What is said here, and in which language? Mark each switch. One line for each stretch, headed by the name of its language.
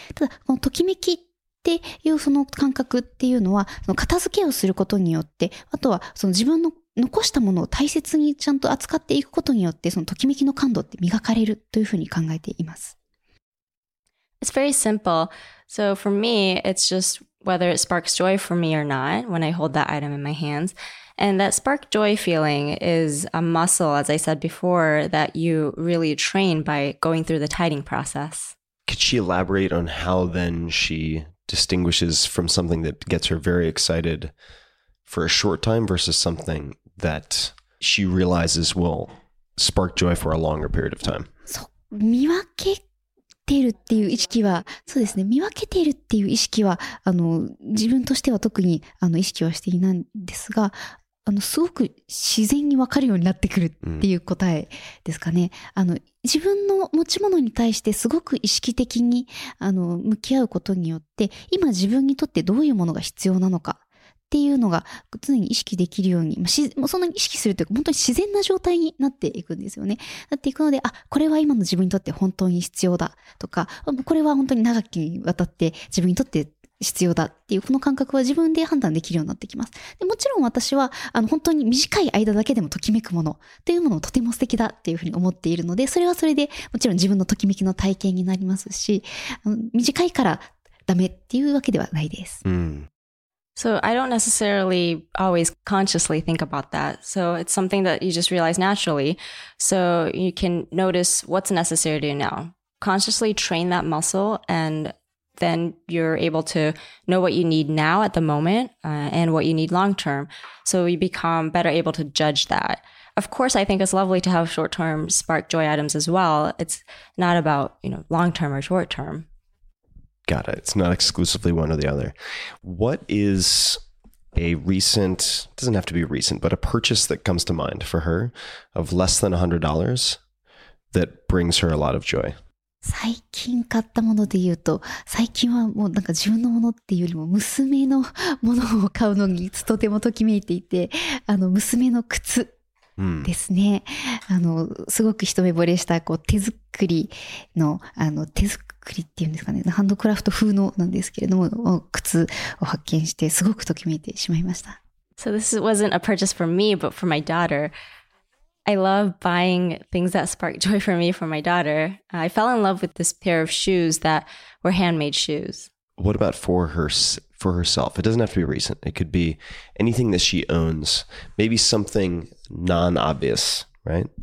Japanese: ただこのときめきっていうその感覚っていうのは、その片付けをすることによって、あとはその自分の残したものを大切にちゃんと扱っていくことによって、そのときめきの感度って磨かれるというふうに考えています。
English: It's very simple. So for me, it's just whether it sparks joy for me or not when I hold that item in my handsAnd that spark joy feeling is a muscle, as I said before, that you really train by going through the tidying process. Could she elaborate on how then she distinguishes from something that gets her very excited for a short time versus something that she realizes will spark joy for a longer period of time?
Japanese: So, 見分けているっていう意識は、そうですね、見分けているっていう意識は、自分としては特に意識はしていないんですが、すごく自然に分かるようになってくるっていう答えですかね。自分の持ち物に対してすごく意識的に向き合うことによって、今自分にとってどういうものが必要なのかっていうのが常に意識できるように、その意識するというか本当に自然な状態になっていくんですよね。なっていくので、これは今の自分にとって本当に必要だとか、これは本当に長きにわたって自分にとって必要だっていう、この感覚は自分で判断できるようになってきます。で、もちろん私は本当に短い間だけでもときめくものっていうものをとても素敵だっていうふうに思っているので、それはそれでもちろん自分のときめきの体験になりますし、短いからダメっていうわけではないです。うん。
English: So I don't necessarily always consciously think about that. So it's something that you just realize naturally. So you can notice what's necessary to you now. Consciously train that muscle and then you're able to know what you need now at the moment and what you need long term. So you become better able to judge that. Of course, I think it's lovely to have short term spark joy items as well. It's not about, you know, long term or short term. Got it. It's not exclusively one or the other. What is a recent, doesn't have to be recent, but a purchase that comes to mind for her of less than $100 that brings her a lot of joy?
Japanese: 最近買ったもので言うと、最近はもうなんか自分のものっていうよりも娘のものを買うのにとてもときめいていて、あの娘の靴ですね。あのすごく一目惚れしたこう手作りの、あの手作りっていうんですかね、ハンドクラフト風のなんですけれども、靴を発見してすごくときめいてしまいました。
English: So this wasn't a purchase for me, but for my daughter. I love buying things that spark joy for me for my daughter. I fell in love with this pair of shoes that were handmade shoes. What about for herself? It doesn't have to be recent. It could be anything that she owns, maybe something non-obvious, right?